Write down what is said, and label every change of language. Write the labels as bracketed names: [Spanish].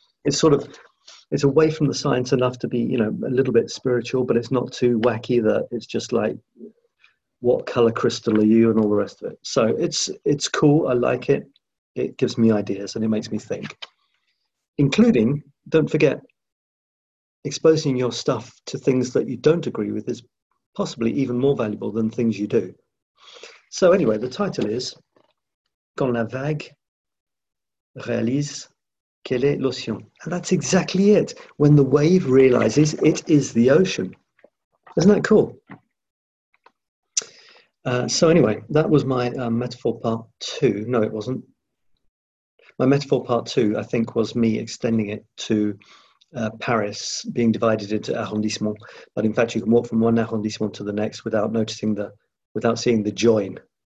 [English] It's away from the science enough to be, you know, a little bit spiritual, but it's not too wacky that it's just like, what color crystal are you and all the rest of it. So it's cool. I like it. It gives me ideas and it makes me think, including, don't forget, exposing your stuff to things that you don't agree with is possibly even more valuable than things you do. So anyway, the title is [French] Quand la vague réalise qu'elle est l'océan. [English] And that's exactly it. When the wave realizes it is the ocean. Isn't that cool? So anyway, that was my metaphor part two. No, it wasn't. My metaphor part two, I think, was me extending it to Paris being divided into arrondissements, but in fact you can walk from one arrondissement to the next without seeing the join,